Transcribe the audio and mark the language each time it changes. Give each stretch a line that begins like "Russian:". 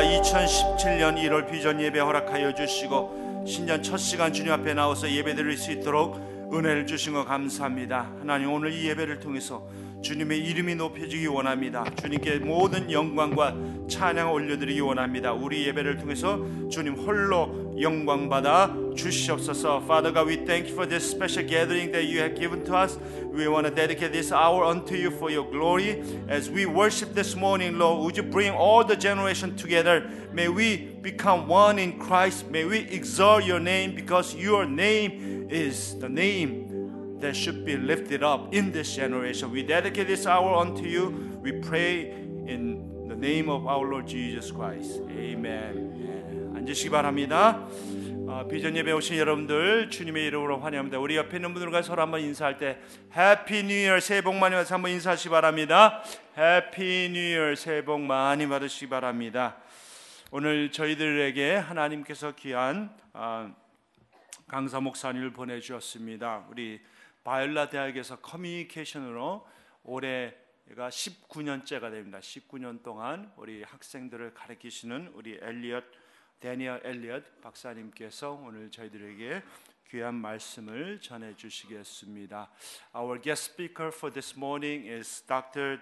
Korean: 2017년 1월 비전 예배 허락하여 주시고 신년 첫 시간 주님 앞에 나와서 예배 드릴 수 있도록 은혜를 주신 것 감사합니다. 하나님 오늘 이 예배를 통해서 주님의 이름이 높여지기 원합니다. 주님께 모든 영광과 찬양을 올려드리기 원합니다. 우리 예배를 통해서 주님 홀로 영광받아 주시옵소서.
English: Father God, we thank you for this special gathering that you have given to us. We want to dedicate this hour unto you for your glory. As we worship this morning, Lord, would you bring all the generation together? May we become one in Christ. May we exalt your name because your name is the name that should be lifted up in this generation. We dedicate this hour unto you. We pray in the name of our Lord Jesus Christ.
Korean: Amen. 앉으시기 바랍니다. 비전 예배 오신 여러분들 주님의 이름으로 환영합니다. 우리 옆에 있는 분들과 서로 한번 인사할 때
English: Happy New Year
Korean: 새해 복 많이 받으시기 한번 인사하시기 바랍니다.
English: Happy New Year
Korean: 새해 복 많이 받으시기 바랍니다. 오늘 저희들에게 하나님께서 귀한 강사 목사님을 보내주셨습니다. 우리 바이올라 대학에서 커뮤니케이션으로 올해가 19년째가 됩니다. 19년 동안 우리 학생들을 가르치시는 우리 엘리엇 대니얼 엘리엇 박사님께서 오늘 저희들에게 귀한 말씀을 전해 주시겠습니다.
English: Our guest speaker for this morning is Dr.